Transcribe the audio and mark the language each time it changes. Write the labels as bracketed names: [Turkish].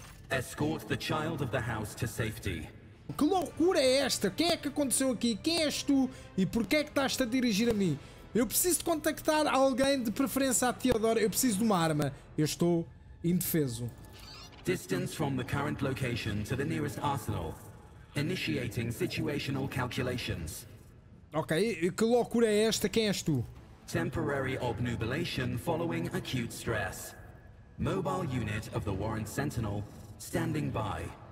[English] Escort the child of the house to safety. [Portuguese] Que loucura é esta? O que é que aconteceu aqui? Quem és tu? E porquê é que estás-te a dirigir a mim? Eu preciso de contactar alguém, de preferência a Theodore. Eu preciso de uma arma. Eu estou indefeso. [English] Distance from the current location to the nearest arsenal. Initiating situational calculations. [Portuguese] Ok, que loucura é esta? Quem és tu? [English] Temporary obnubilation following acute stress. Mobile unit of the Warrant Sentinel standing by.